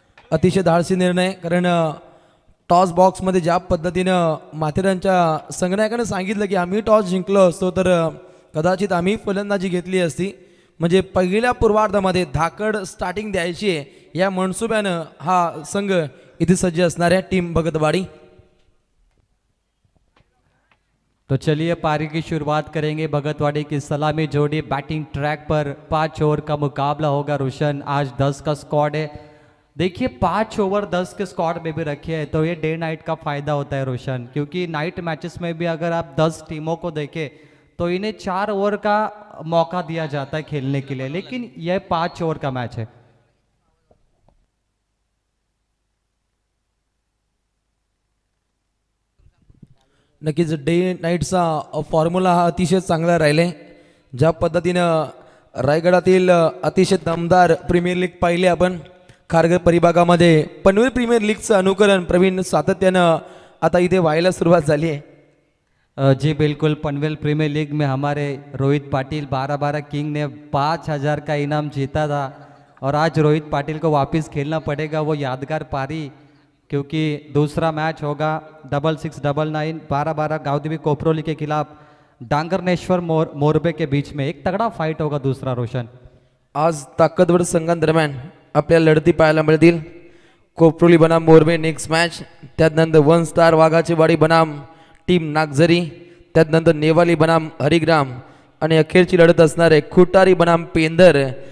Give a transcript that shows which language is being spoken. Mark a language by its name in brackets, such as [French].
[Marathi] अतिशय धाडसी निर्णय, कारण टॉस बॉक्समध्ये ज्या पद्धतीनं माथेरानच्या संघनायकाने सांगितलं की आम्ही टॉस जिंकलो असतो तर कदाचित आम्ही फलंदाजी घेतली असती, म्हणजे पहिल्या पूर्वार्धामध्ये धाकड स्टार्टिंग द्यायची आहे या मनसुब्यानं हा संघ इथे सज्ज असणार आहे टीम भगतवाडी. [Hindi] तो चलिए पारी की शुरुआत करेंगे. भगतवाड़ी की सलामी जोड़ी बैटिंग ट्रैक पर. पांच ओवर का मुकाबला होगा रोशन, आज 10 का स्क्वाड है. देखिए पांच ओवर 10 के स्क्वाड में भी रखे हैं तो ये डे नाइट का फायदा होता है रोशन, क्योंकि नाइट मैचेस में भी अगर आप 10 टीमों को देखें तो इन्हें चार ओवर का मौका दिया जाता है खेलने के लिए, लेकिन यह पांच ओवर का मैच है. [Marathi] नक्कीच डे नाईटचा फॉर्म्युला हा अतिशय चांगला राहिले. ज्या पद्धतीनं रायगडातील अतिशय दमदार प्रीमियर लीग पाहिली आपण, खारघर परिभागामध्ये पनवेल प्रीमियर लीगचं अनुकरण प्रवीण सातत्यानं आता इथे व्हायला सुरुवात झाली आहे. [Hindi] जी बिलकुल, पनवेल प्रीमियर लीग में हमारे रोहित पाटील 12-12 किंग ने 5000 का इनाम जीता था और आज रोहित पाटील को वापस खेलना पड़ेगा वो यादगार पारी, क्योंकि दूसरा मैच होगा 6699 12-12 गावदेवी कोपरोली के खिलाफ डांगरनेश्वर मोरबे के बीच में. एक तगड़ा फाइट होगा दूसरा रोशन. [Marathi] आज ताकतवर संघांदरम्यान आपल्या लढती पाहायला मिळतील. कोपरोली बनाम मोरबे नेक्स्ट मॅच, त्यानंतर वन स्टार वाघाची वाडी बनाम टीम नागझरी, त्यानंतर नेवाली बनाम हरिग्राम आणि अखेरची लढत असणार आहे खुटारी बनाम पेंदर.